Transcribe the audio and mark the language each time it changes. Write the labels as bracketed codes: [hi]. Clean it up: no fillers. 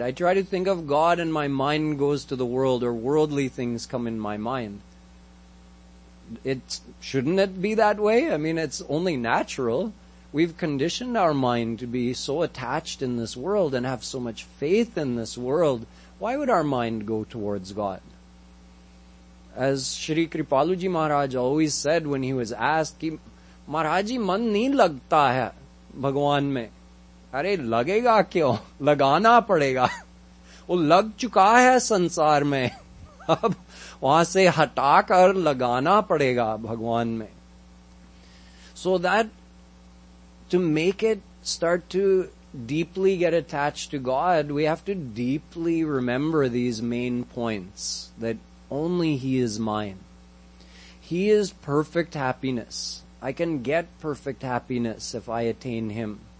[en] I try to think of God and my mind goes to the world, or worldly things come in my mind. Shouldn't it be that way? I mean, it's only natural. We've conditioned our mind to be so attached in this world and have so much faith in this world. Why would our mind go towards God? As Shri Kripaluji Maharaj always said when he was asked, [hi] कि महाराजी मन नहीं लगता है भगवान में. अरे लगेगा क्यों? लगाना पड़ेगा. वो लग चुका है संसार में. अब वहाँ से हटा कर लगाना पड़ेगा भगवान में. [en] So that to make it start to deeply get attached to God, we have to deeply remember these main points, that only He is mine. He is perfect happiness. I can get perfect happiness if I attain Him.